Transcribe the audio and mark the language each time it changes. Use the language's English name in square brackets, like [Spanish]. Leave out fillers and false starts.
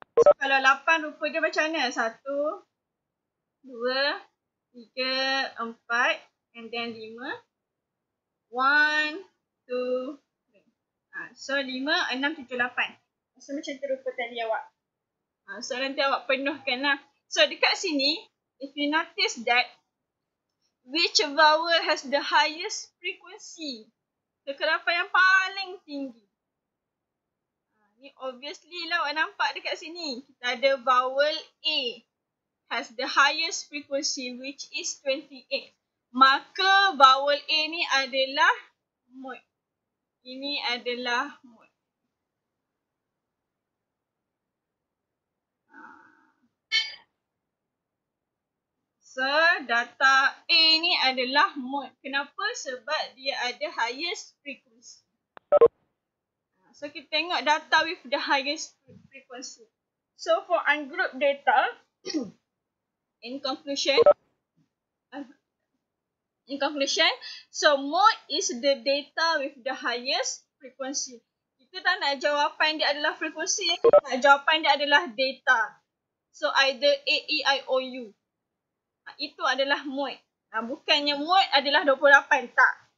[Malay] So, kalau 8 rupa dia macam mana? 1, 2, 3, 4 [English] and then [Malay] 5. 1, 2, 3. So 5, 6, 7, 8. So macam tu rupa tadi awak. So nanti awak penuhkan lah. So dekat sini, [English] if you notice that which vowel has the highest frequency? [Malay] Kekerapan yang paling tinggi. Ni obviously lah awak nampak dekat sini. Kita ada [English] vowel A has the highest frequency which is 28. [Malay] Maka vowel A ni adalah mod. Ini adalah mod. So data A ni adalah mod. Kenapa? Sebab dia ada [English] highest frequency. So [Malay] kita tengok [English] data with the highest frequency. So for ungrouped data, in conclusion, In conclusion, so mode is the data with the highest frequency. [Malay] Kita tak nak jawapan dia adalah frekuensi, nak jawapan dia adalah data. [English] So either [Malay] A, E, I, O, U. Itu adalah mode. Bukannya mode adalah 28, tak.